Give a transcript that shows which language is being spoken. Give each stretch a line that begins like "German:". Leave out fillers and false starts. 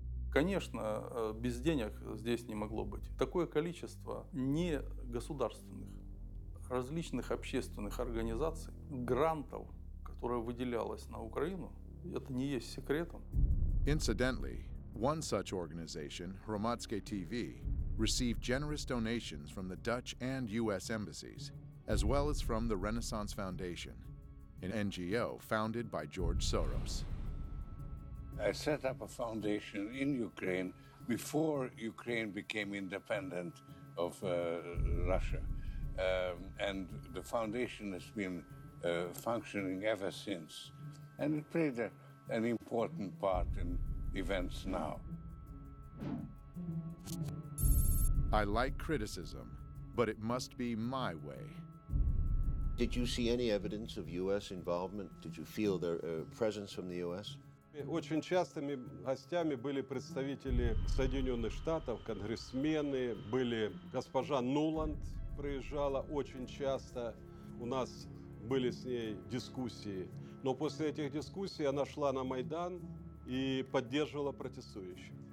Russian: Конечно, без денег здесь не могло быть. Такое количество не государственных, различных общественных организаций, грантов, которые выделялось на Украину, это не есть секретом.
English: Incidentally, one such organization, Hromadske TV, received generous donations from the Dutch and US embassies, as well as from the Renaissance Foundation, an NGO founded by George Soros. I set up a foundation in Ukraine before Ukraine became independent of Russia. And the foundation has been functioning ever since. And it played an important part in events now. I like criticism, but it must be my way. Did you see any evidence of U.S. involvement? Did you feel their presence from the U.S.?
Russian: Очень частыми гостями были представители Соединенных Штатов, конгрессмены, были госпожа Нуланд приезжала очень часто. У нас были с ней дискуссии. Но после этих дискуссий она шла на Майдан и поддерживала протестующих.